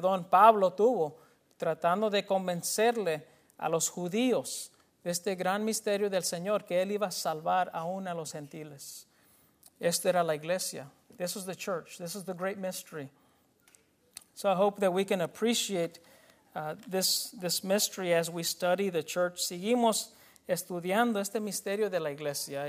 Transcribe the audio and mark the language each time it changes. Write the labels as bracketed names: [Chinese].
[Spanish] Pablo tuvo tratando de convencerle a los judíos de este gran misterio del Señor, que Él iba a salvar aún a los gentiles. Esta era la iglesia. [English] This is the church. This is the great mystery. So I hope that we can appreciate this mystery as we study the church. [Spanish] Seguimos estudiando este misterio de la iglesia.